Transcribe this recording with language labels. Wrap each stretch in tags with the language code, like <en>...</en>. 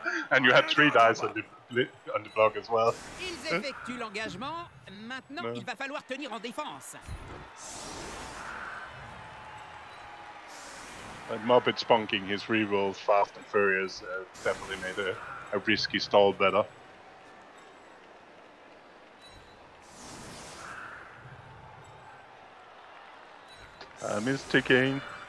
<en>And you had three dice on the block as well.</en> <fr>Ils effectuent l'engagement, maintenant il va falloir tenir en défense.</fr> <en>And Muppet spunking his reroll fast and furious definitely made a risky stall better. Time is ticking.</en>